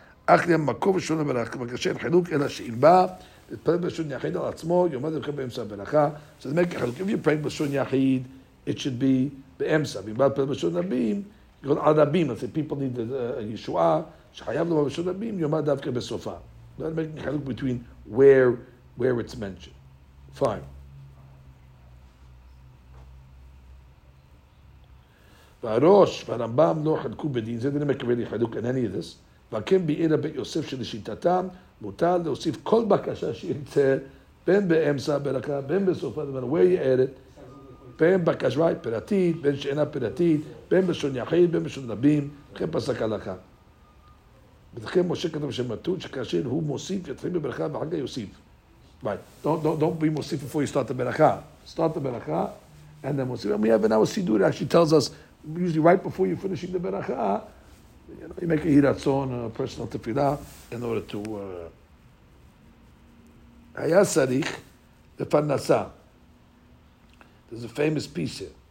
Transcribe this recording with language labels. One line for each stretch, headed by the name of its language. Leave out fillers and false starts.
Hebrew: אחרי המקום ושאול לברך, מגשן חילוק, אלא שאם בא, להתפלל בלשון יחיד על עצמו, יומד לכם באמצע הברכה.
English: So they make a חילוק. If you pray
Hebrew: בלשון יחיד,
English: it should be באמצע.
Hebrew: אם בא להתפלל בלשון רבים, על רבים,
English: let's say people need
Hebrew: הישועה, שחייב לומר בלשון רבים, יומד דווקא בסופה.
English: They make a חילוק between where it's mentioned. Fine.
Hebrew: והראש והרמב״ם לא חלקו בדין, זה לא מקבל חילוק על
English: any of this,
Hebrew: והכן בעיר הבית יוסף שלשיטתם, מותר להוסיף כל בקשה שירצה, בין באמצע הברכה, בין בסופה, זאת אומרת,
English: where you add it,
Hebrew: בין בקשה פרטית, בין שאינה פרטית, בין בלשון יחיד, בין בלשון רבים, וכן פסק הלכה. ולכן משה כתב שם מתון, שכאשר הוא מוסיף, יתחיל בברכה, ואחר כך יוסיף.
English: Don't be מוסיף before you start the ברכה. Start the ברכה, and then מוסיף. We have an hour sidur, actually tells us, usually right before you're finishing the beracha, you know, you make a hiratzon, a personal tefillah, in order to... Haya sarich, the parnasa. There's a famous piece here.